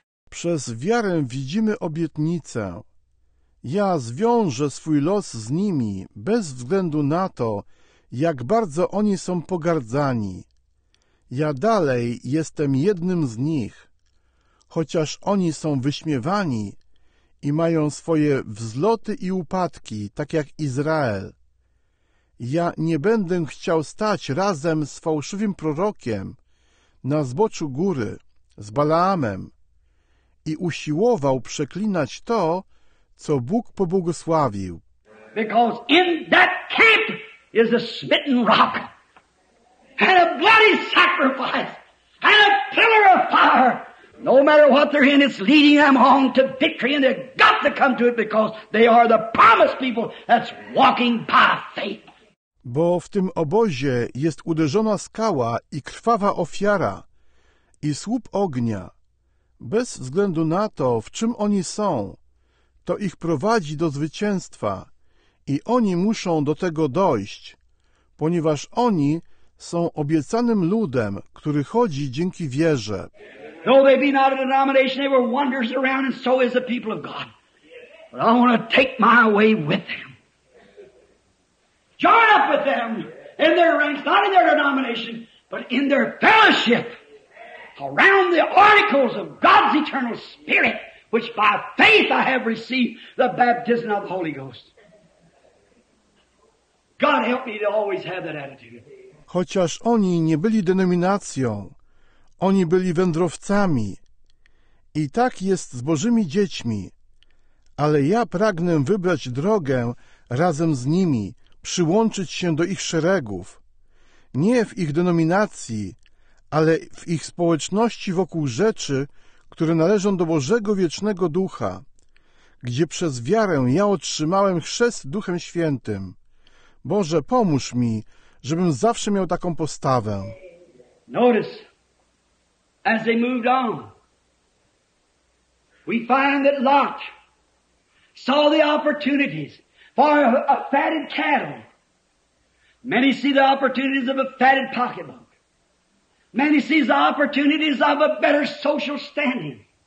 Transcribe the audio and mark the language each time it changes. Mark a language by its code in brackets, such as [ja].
[pl] Przez wiarę widzimy obietnicę. Ja zwiążę swój los z nimi bez względu na to, jak bardzo oni są pogardzani. Ja dalej jestem jednym z nich. Chociaż oni są wyśmiewani i mają swoje wzloty i upadki, tak jak Izrael. Ja nie będę chciał stać razem z fałszywym prorokiem na zboczu góry, z Balaamem, i usiłował przeklinać to, co Bóg pobłogosławił. [en] Because in that camp is a smitten rock and a bloody sacrifice and a pillar of fire. No matter what they're in, it's leading them on to victory, and they've got to come to it because they are the promised people that's walking by faith. [pl] Bo w tym obozie jest uderzona skała i krwawa ofiara i słup ognia. Bez względu na to, w czym oni są, to ich prowadzi do zwycięstwa i oni muszą do tego dojść, ponieważ oni są obiecanym ludem, który chodzi dzięki wierze. [en] Though they be not a denomination, they were wanderers around, and so is the people of God. But I want to take my way with them. Join up with them in their ranks, not in their denomination, but in their fellowship around the articles of God's eternal Spirit, which by faith I have received the baptism of the Holy Ghost. God help me to always have that attitude. [pl] Chociaż oni nie byli denominacją, oni byli wędrowcami i tak jest z Bożymi dziećmi, ale ja pragnę wybrać drogę razem z nimi, przyłączyć się do ich szeregów, nie w ich denominacji, ale w ich społeczności wokół rzeczy, które należą do Bożego Wiecznego Ducha, gdzie przez wiarę ja otrzymałem chrzest Duchem Świętym. Boże, pomóż mi, żebym zawsze miał taką postawę. [en] Notice. As they moved on, we find that Lot saw the opportunities for a fatted cattle. Many see the opportunities of a fatted pocketbook. Many see the opportunities of a better social standing.